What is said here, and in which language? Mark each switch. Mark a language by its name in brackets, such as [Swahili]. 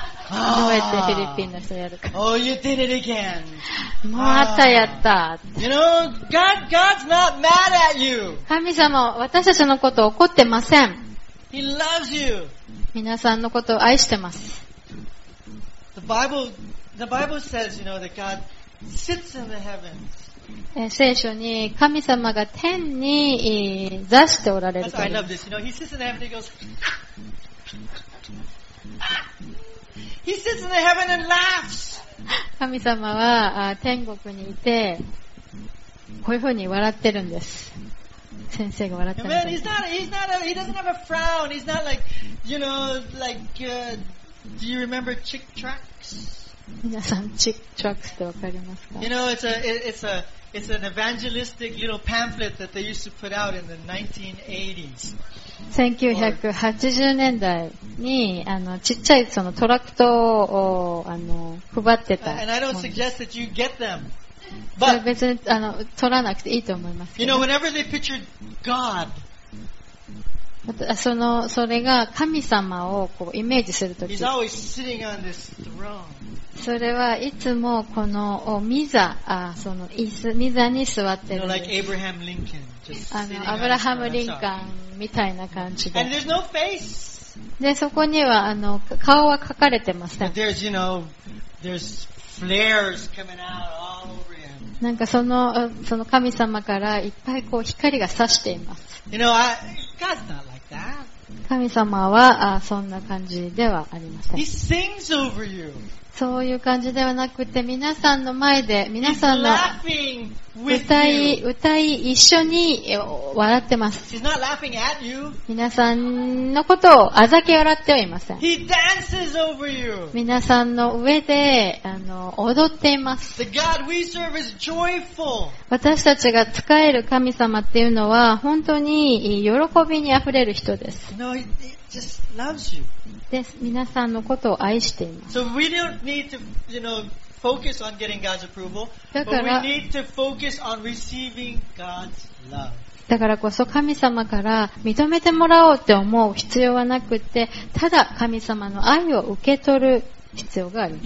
[Japanese] どうやってフィリピンの人やるか。 [English] Oh, you did it again. [Japanese] またやった。 [English] You know, God's not mad at you. [Japanese] 神様、私たちのこと怒ってません。 [English] He loves you. [Japanese] 皆さんのことを愛してます。 [English] The Bible says, you know, that God sits in the heavens. [Japanese] 聖書に神様が天に座しておられる。 [English] That's why I love this. You know, he sits in the heaven and he goes. He sits in the heaven and laughs. [Japanese] 神様は天国にいてこういうふうに笑ってるんです。先生が笑ってます。 [English] He doesn't have a frown. He's not like, you know, like, do you remember Chick Tracks? [Japanese] 皆さん、Chick Tracks ってわかりますか？ [English] You know, it's an evangelistic little pamphlet that they used to put out in the 1980s. [Japanese] 1980年代に、ちっちゃいそのトラクトを、配ってた。 [English] And I don't suggest that you get them. [Japanese] 別に取らなくていいと思います。 [English] You know, whenever they pictured God, [Japanese] それが神様をこうイメージするとき、 [English] He's always sitting on this throne. [Japanese] それはいつもこのミザ、その椅子、ミザに座ってる。 [English] You know, like Abraham Lincoln, just sitting on [Japanese] アブラハム・リンカンみたいな感じで。 [English] And there's no face. [Japanese] で、そこには顔は描かれてません。 [English] But there's, you know, there's flares coming out all over. [Japanese] なんかその神様からいっぱいこう光が差しています。 [English] you know, God's not like that. [Japanese] 神様はそんな感じではありません。 [English] He sings over you. [Japanese] そういう感じではなくて、皆さんの前で皆さんの歌い一緒に笑ってます。 [English] He's not laughing at you. [Japanese] 皆さんのことをあざけ笑ってはいません。 [English] He dances over you. [Japanese] 皆さんの上で踊っています。 [English] The God we serve is joyful. [Japanese] 私たちが仕える神様っていうのは本当に喜びにあふれる人です。 [English] No, he just loves you. [Japanese] で、皆さんのことを愛しています。 [English] So we don't need to, you know,Focus on getting God's approval, but we need to focus on receiving God's love. [Japanese] だからこそ神様から認めてもらおうって思う必要はなくて、ただ神様の愛を受け取る必要があります。